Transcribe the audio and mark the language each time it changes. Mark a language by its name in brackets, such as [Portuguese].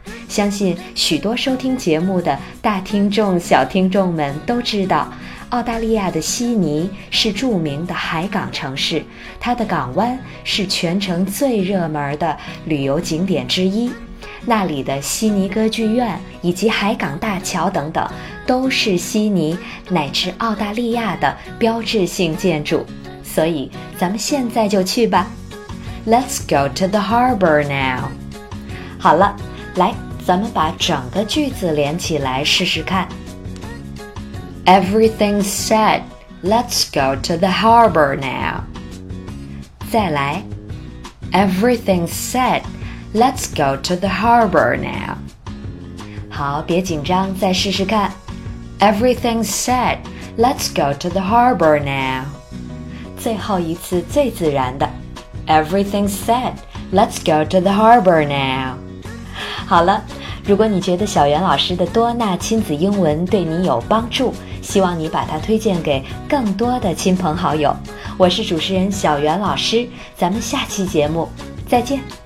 [Chinese] 相信许多收听节目的大听众小听众们都知道，澳大利亚的悉尼是著名的海港城市，它的港湾是全城最热门的旅游景点之一。那里的悉尼歌剧院以及海港大桥等等，都是悉尼乃至澳大利亚的标志性建筑。所以咱们现在就去吧。 [English] Let's go to the harbor now. [Chinese] 好了，来，咱们把整个句子连起来试试看。 [English] Everything's set, let's go to the harbor now. [Chinese] 再来。 [English] Everything's set, let's go to the harbor now. [Chinese] 好，别紧张，再试试看。 [English] Everything's set, let's go to the harbor now. [Chinese] 最后一次最自然的。 [English] Everything's set, let's go to the harbor now. [Chinese] 好了，如果你觉得小袁老师的多纳亲子英文对你有帮助，希望你把它推荐给更多的亲朋好友。我是主持人小袁老师，咱们下期节目再见。